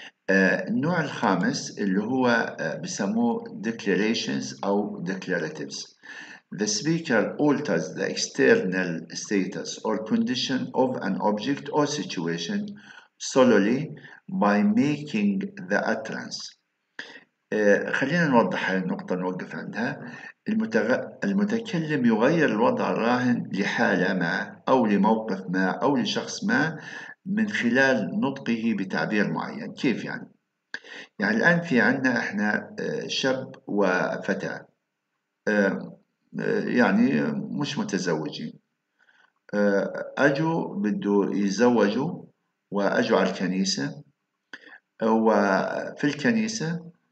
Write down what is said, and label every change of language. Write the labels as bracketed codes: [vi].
[ar] النوع الخامس اللي هو بسموه declarations أو declaratives. [en] The speaker alters the external status or condition of an object or situation solely by making the utterance. [ar] خلينا نوضح هذه النقطة، نوقف عندها. المتكلم يغير الوضع الراهن لحالة ما أو لموقف ما أو لشخص ما من خلال نطقه بتعبير معين. كيف يعني؟ يعني الآن في عندنا إحنا شاب وفتاة، يعني مش متزوجين، أجوا بدو يزوجوا وأجوا على الكنيسة، وفي الكنيسة